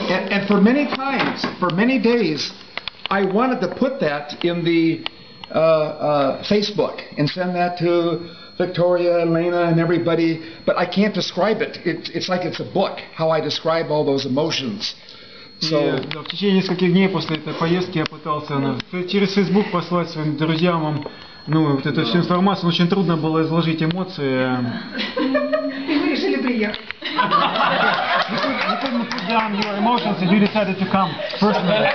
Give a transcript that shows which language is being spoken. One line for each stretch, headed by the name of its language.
English: And for many times, for many days, I wanted to put that in the Facebook and send that to Victoria, Elena, and everybody, but I can't describe it. It's like it's a book, how I describe all those emotions.
Russian: So, в течение нескольких дней после этой поездки я пытался через Facebook послать своим друзьям, ну, вот эту всю информацию, но очень трудно было изложить эмоции. И вы решили приехать.
English: down your emotions and you decided to come personally.